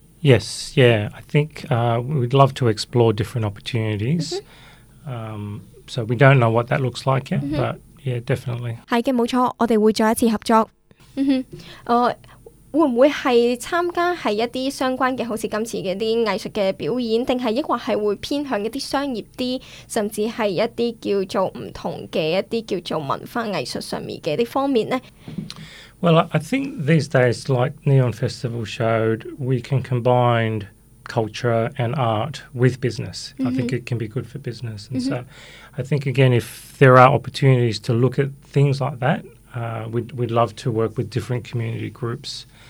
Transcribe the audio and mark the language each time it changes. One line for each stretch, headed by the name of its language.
English: Yes, yeah, I think we'd love to explore different opportunities. So we don't know what that looks like yet, but yeah, definitely.
Chinese: 是的，没错，我们会再一次合作。会不会是参加是一些相关的，好像今次的一些艺术的表演，还是抑或是会偏向一些商业的，甚至是一些叫做不同的一些叫做文化艺术上面的一些方面呢？
English: Well, I think these days, like Neon Festival showed, we can combine culture and art with business. I think it can be good for business. And so I think, again, if there are opportunities to look at things like that, we'd love to work with different community groups.